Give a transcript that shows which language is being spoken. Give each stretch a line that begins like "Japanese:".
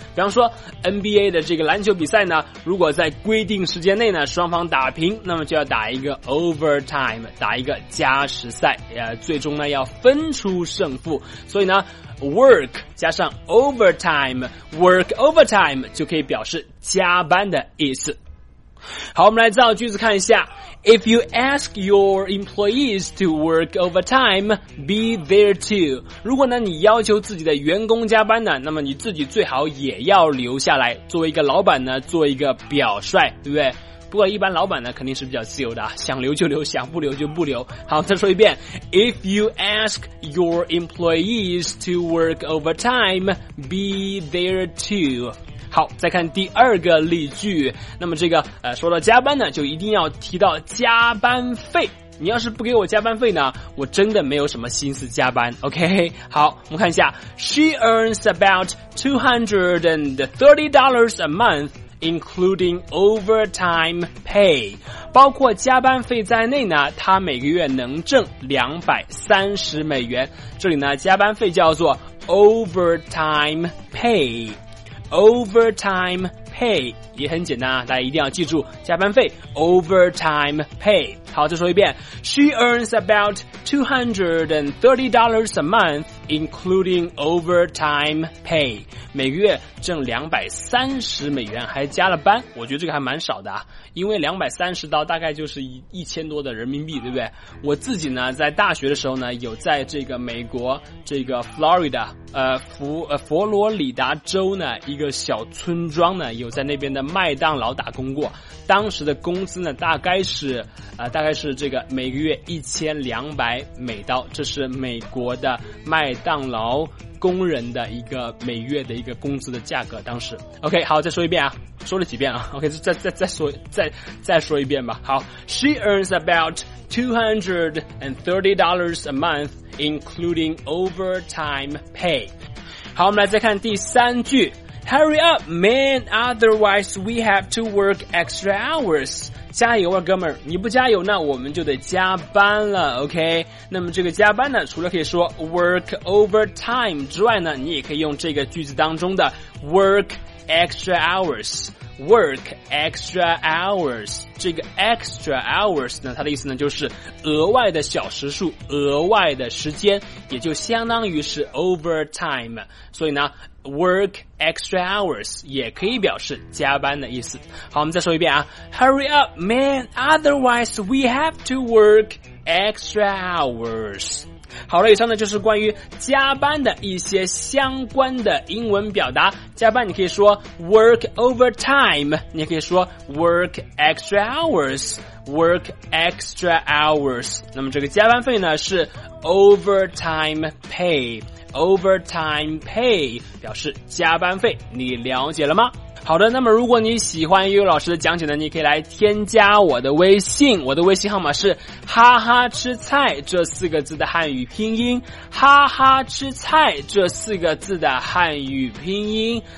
Chinese: 比方说 NBA 的这个篮球比赛呢，如果在规定时间内呢双方打平，那么就要打一个 overtime， 打一个加时赛，最终呢要分出胜负。所以呢Work 加上 overtime， Work overtime 就可以表示加班的意思。好，我们来造句子看一下。
English: If you ask your employees to work overtime, be there too.
Chinese: 如果呢你要求自己的员工加班呢，那么你自己最好也要留下来，作为一个老板呢做一个表率，对不对？不过一般老板呢肯定是比较自由的，想留就留，想不留就不留。好，再说一遍，
English: If you ask your employees to work overtime, be there too。
Chinese: 好，再看第二个例句。那么这个说到加班呢，就一定要提到加班费。你要是不给我加班费呢，我真的没有什么心思加班， OK。好，我们看一下，
English: She earns about $230 a monthIncluding overtime pay，
Chinese: 包括加班费在内呢，他每个月能挣230美元。这里呢，加班费叫做 overtime pay， overtime pay 也很简单啊，大家一定要记住加班费 overtime pay。好，再说一遍，
English: She earns about $230 a month including overtime pay，
Chinese: 每个月挣230美元，还加了班。我觉得这个还蛮少的，因为230刀大概就是1000多的人民币，对不对？我自己呢在大学的时候呢有在这个美国这个 Florida 佛罗里达州呢一个小村庄呢有在那边的麦当劳打工过，当时的工资呢大概是大概是这个每个月1200美刀，这是美国的麦当劳工人的一个每月的一个工资的价格。当时 OK， 好，再说一遍啊，说了几遍啊， OK， 再说一遍吧。
English: 好， She earns about $230 a month including overtime pay。
Chinese: 好，我们来再看第三句。
English: Hurry up, man, otherwise we have to work extra hours.
Chinese: 加油啊，哥们儿，你不加油那我们就得加班了， OK。那么这个加班呢，除了可以说 work overtime 之外呢，你也可以用这个句子当中的 work extra hours。 work extra hours， 这个 extra hours 呢，它的意思呢就是额外的小时数，额外的时间，也就相当于是 overtime。所以呢Work extra hours 也可以表示加班的意思。好，我们再说一遍啊，
English: Hurry up, man, otherwise we have to work extra hours。
Chinese: 好了，以上呢就是关于加班的一些相关的英文表达。加班你可以说 work overtime， 你可以说 work extra hours， work extra hours。那么这个加班费呢是 overtime payOvertime pay， 表示加班费，你了解了吗？好的，那么如果你喜欢悠悠老师的讲解呢，你可以来添加我的微信，我的微信号码是哈哈吃菜这四个字的汉语拼音，哈哈吃菜这四个字的汉语拼音。